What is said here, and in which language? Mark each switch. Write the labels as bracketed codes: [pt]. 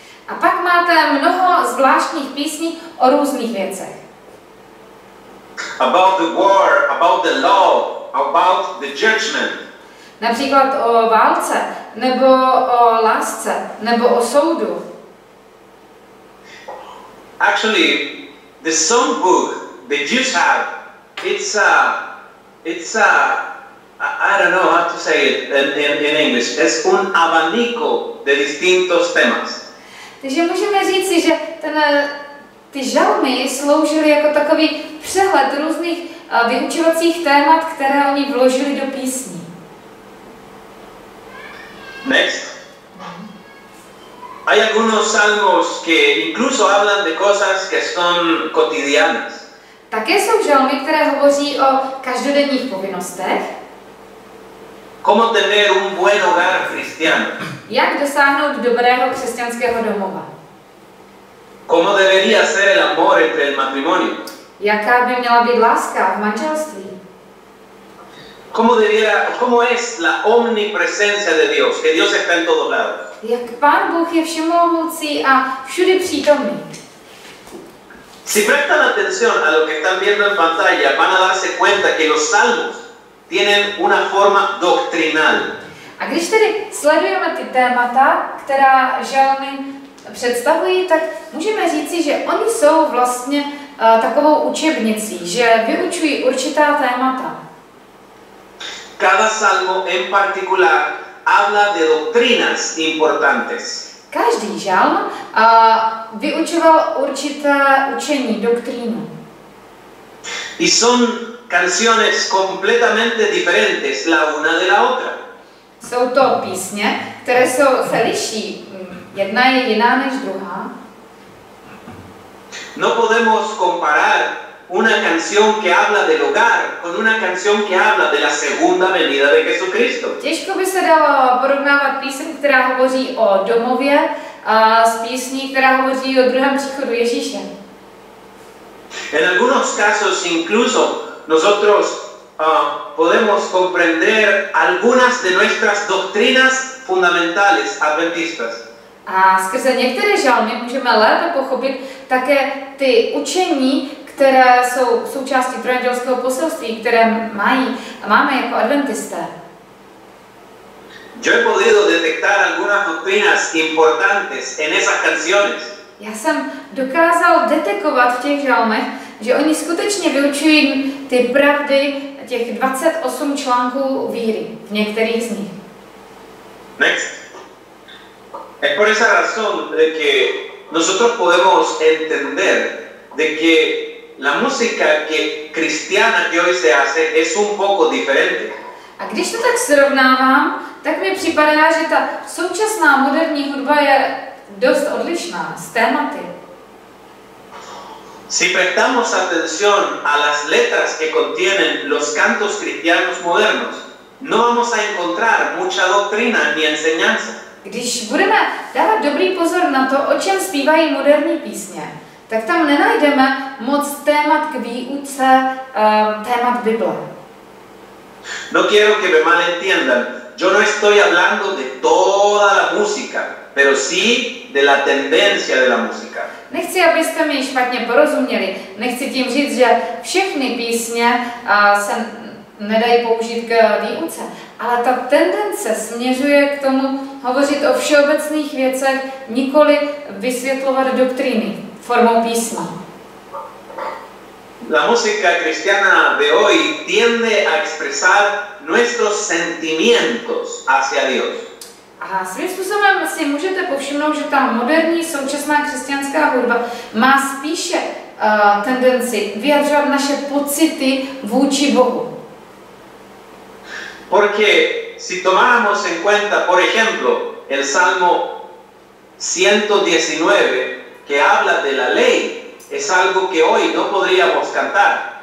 [cs] A pak máte mnoho zvláštních písní o různých věcech. [en] About the war, about the law, about the judgment. [cs] Například o válce, nebo o lásce, nebo o soudu. [en] Actually, the songbook the Jews have, it's [es] es un abanico de distintos temas. [cs] Takže můžeme říci, že ty žalmy sloužily jako takový přehled různých vyučovacích témat, které oni vložili do písní. [en] Next. [es] Hay algunos salmos que incluso hablan de cosas que son cotidianas. [cs] Také jsou žalmy, které hovoří o každodenních povinnostech. [es] ¿Cómo tener un buen hogar cristiano? [cs] Jak dosáhnout dobrého křesťanského domova? [es] ¿Cómo debería ser el amor entre el matrimonio? [cs] Jaká by měla být láska v manželství? [es] ¿Cómo es la omnipresencia de Dios? Que Dios está en todos lados. [cs] Jak Pán Bůh je všemohoucí a všude přítomný. [es] Si prestan atención a lo que están viendo en pantalla, van a darse cuenta que los salmos tienen una forma doctrinal. [cs] A když tedy sledujeme ty témata, která žalmy představují, tak můžeme říci, že oni jsou vlastně takovou učebnicí, že vyučují určitá témata. [es] Cada salmo en particular habla de doctrinas importantes. [cs] Každý žalm vyučoval určité učení, doktrínu. [es] Y son canciones completamente diferentes la una de la otra. [cs] Jsou to písně, které jsou, se liší. Jedna je jiná než druhá. [es] No podemos comparar una canción que habla del hogar con una canción que habla de la segunda venida de Jesucristo. [cs] Těžko by se dalo porovnávat píseň, která hovoří o domově, s písní, která hovoří o druhém příchodu Ježíše. [es] En algunos casos incluso nosotros podemos comprender algunas de nuestras doctrinas fundamentales adventistas. [cs] A skrze některé žalmy můžeme lépe pochopit také ty učení, které jsou součástí trojandělského poselství, které máme jako adventisté. [es] Yo he podido detectar algunas doctrinas importantes en esas canciones. [cs] Já jsem dokázal detekovat v těch žalmech, že oni skutečně vyučují ty pravdy těch 28 článků víry, v některých z nich. [en] Next. [es] Es por esa razón de que nosotros podemos entender de que la música que cristiana que hoy se hace es un poco diferente. [cs] A když to tak srovnávám, tak mi připadá, že ta současná moderní hudba je dost odlišná z tématy. [es] Si prestamos atención a las letras que contienen los cantos cristianos modernos, no vamos a encontrar mucha doctrina ni enseñanza. [cs] Když budeme dávat dobrý pozor na to, o čem zpívají moderní písně, tak tam nenajdeme moc témat k výuce, témat Bible. [es] No quiero que me malentiendan. Yo no estoy hablando de toda la música, pero sí de la tendencia de la música. [cs] Nechci, abyste mi špatně porozuměli. Nechci tím říct, že všechny písně se nedají použít k výuce. Ale ta tendence směřuje k tomu hovořit o všeobecných věcech, nikoli vysvětlovat doktríny formou písma. [es] La música cristiana de hoy tiende a expresar nuestros sentimientos hacia Dios. [cs] A svým způsobem si můžete povšimnout, že ta moderní současná křesťanská hudba má spíše tendenci vyjadřovat naše pocity vůči Bohu. [es] Porque si tomáramos en cuenta, por ejemplo, el Salmo 119, que habla de la ley, es algo que hoy no podríamos cantar.